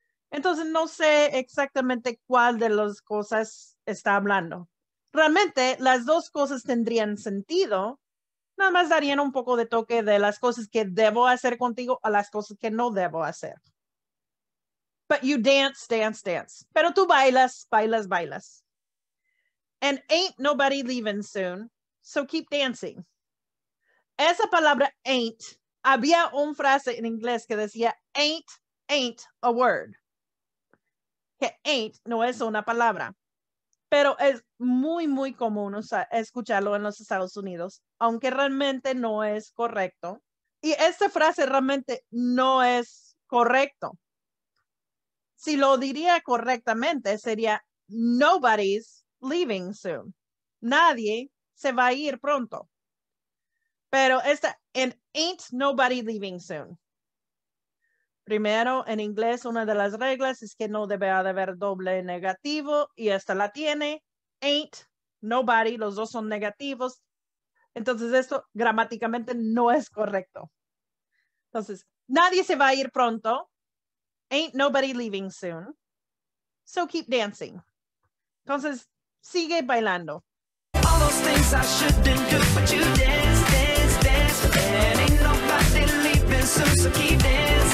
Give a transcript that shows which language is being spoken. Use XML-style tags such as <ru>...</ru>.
<es>Entonces, no sé exactamente cuál de las cosas está hablando. realmente las dos cosas tendrían sentido. Nada más darían un poco de toque de las cosas que debo hacer contigo a las cosas que no debo hacer.</es> <en>But you dance, dance, dance.</en> <es>Pero tú bailas, bailas, bailas.</es> <en>And ain't nobody leaving soon, so keep dancing.</en> <es>Esa palabra ain't, había una frase en inglés que decía ain't,</es> <en>ain't a word.</en> <es>Que ain't no es una palabra. Pero es muy, muy común escucharlo en los Estados Unidos, aunque realmente no es correcto. Y esta frase realmente no es correcto. Si lo diría correctamente, sería</es> <en>nobody's leaving soon.</en> <es>Nadie se va a ir pronto. Pero esta,</es> <en>and ain't nobody leaving soon.</en> <es>Primero, en inglés, una de las reglas es que no debe haber doble negativo y esta la tiene. Ain't, nobody, los dos son negativos. Entonces, esto gramáticamente no es correcto. Entonces, nadie se va a ir pronto.</es> <en>Ain't nobody leaving soon. So keep dancing.</en> <es>Entonces, sigue bailando.</es> <en>All those things I shouldn't do, but you dance, dance, dance. And ain't nobody leaving soon, so keep dancing.</en>